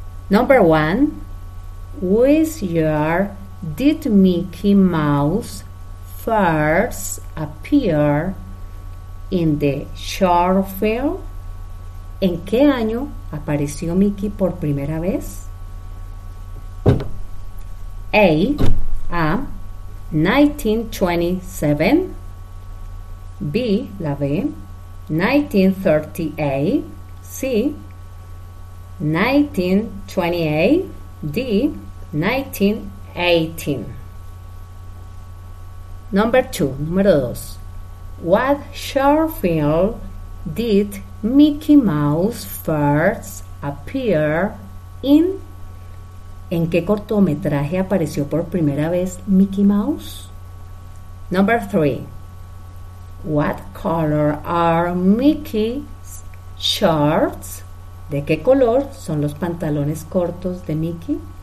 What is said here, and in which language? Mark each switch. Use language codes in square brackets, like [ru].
[en] Number one, who is your did Mickey Mouse first appear in the short film? [es] ¿En qué año apareció Mickey por primera vez? A. 1927. B. La B. 1938. C. 1928. D. 1918. [en] Number two, [es] número dos. [en] What short film did Mickey Mouse first appear in? [es] ¿En qué cortometraje apareció por primera vez Mickey Mouse? [en] Number three. What color are Mickey's shorts? [es] ¿De qué color son los pantalones cortos de Mickey?